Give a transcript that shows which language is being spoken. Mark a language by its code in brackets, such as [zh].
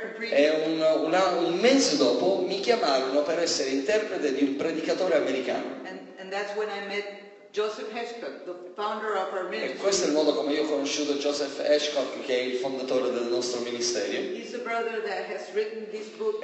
[it] E un mese dopo mi chiamarono per essere interprete di un predicatore americano. [en] And that's when I met Joseph Heschkock, the founder of our ministry. [it] E questo è il modo come io ho conosciuto Joseph Heschkock, che è il fondatore del nostro ministerio. [en] He's the brother that has written this book.